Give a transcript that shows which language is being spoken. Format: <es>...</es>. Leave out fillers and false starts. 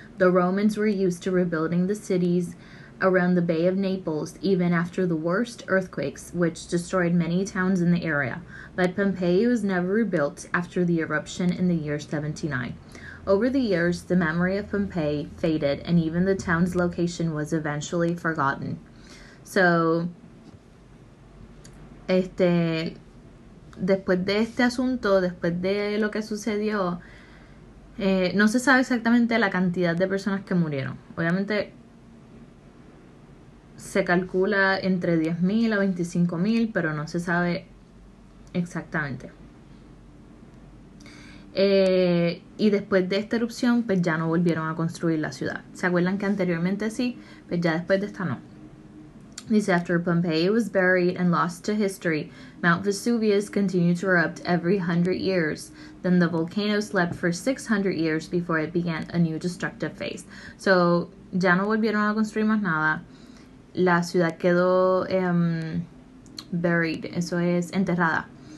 <en>The Romans were used to rebuilding the cities around the Bay of Naples even after the worst earthquakes, which destroyed many towns in the area. But Pompeii was never rebuilt after the eruption in the year 79. Over the years, the memory of Pompeii faded, and even the town's location was eventually forgotten.</en> <es>So, después de este asunto, después de lo que sucedió, no se sabe exactamente la cantidad de personas que murieron. Obviamente, se calcula entre 10,000 a 25,000, pero no se sabe exactamente. Y después de esta erupción, pues ya no volvieron a construir la ciudad. ¿Se acuerdan que anteriormente sí? Pues ya después de esta no. Dice,</es> <en>after Pompeii was buried and lost to history, Mount Vesuvius continued to erupt every 100 years. Then the volcano slept for 600 years before it began a new destructive phase.</en> <es>So, ya no volvieron a construir más nada. La ciudad quedó buried. Eso es, enterrada.</es>